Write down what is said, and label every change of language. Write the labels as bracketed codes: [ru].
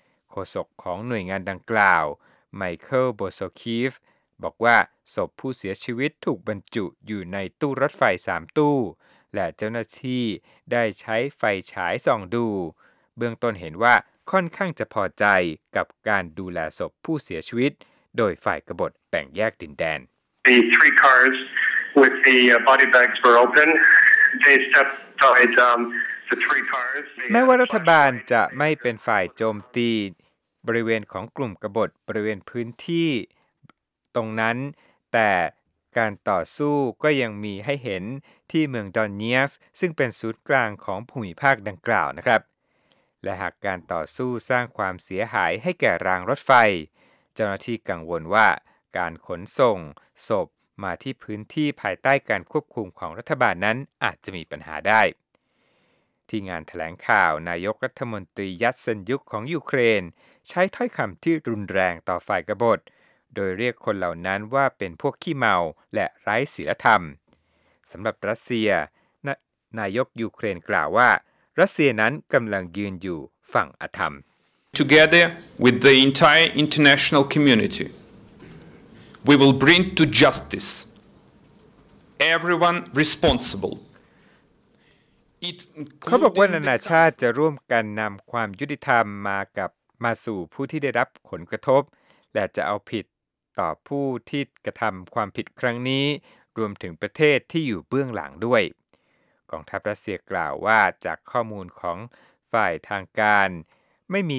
[th] โฆษกของหน่วยงานดังกล่าวไมเคิลโบโซคีฟบอกว่าศพผู้เสียชีวิตถูกบรรจุอยู่ในตู้รถไฟ3ตู้และเจ้าหน้าที่ได้ใช้ไฟฉายส่องดูเบื้องต้นเห็นว่าค่อนข้างจะพอใจกับการดูแลศพผู้เสียชีวิตโดยฝ่ายกบฏแบ่งแยกดินแดน [en] The three cars with the body bags were open. They stepped out the three cars. [th] แม้ว่ารัฐบาลจะไม่เป็นฝ่ายโจมตีบริเวณของกลุ่มกบฏบริเวณพื้นที่ตรงนั้นแต่การต่อสู้ก็ยังมีให้เห็นที่เมืองดอนเนียสซึ่งเป็นศูนย์กลางของภูมิภาคดังกล่าวนะครับและหากการต่อสู้สร้างความเสียหายให้แก่รางรถไฟเจ้าหน้าที่กังวลว่าการขนส่งศพมาที่พื้นที่ภายใต้การควบคุมของรัฐบาลนั้นอาจจะมีปัญหาได้ ที่งานแถลงข่าวนายกรัฐมนตรียัตเซนยุกของยูเครนใช้ถ้อยคำที่รุนแรงต่อฝ่ายกบฏโดยเรียกคนเหล่านั้นว่าเป็นพวกขี้เมาและไร้ศีลธรรมสำหรับรัสเซียนายกยูเครนกล่าวว่ารัสเซียนั้นกำลังยืนอยู่ฝั่งอธรรม [en] Together with the entire international community we will bring to justice everyone responsible [th] เขาบอกว่านานาชาติจะร่วมกันนำความยุติธรรมมากับมาสู่ผู้ที่ได้รับผลกระทบและจะเอาผิดต่อผู้ที่กระทำความผิดครั้งนี้รวมถึงประเทศที่อยู่เบื้องหลังด้วยกองทัพรัสเซียกล่าวว่าจากข้อมูลของฝ่ายทางการไ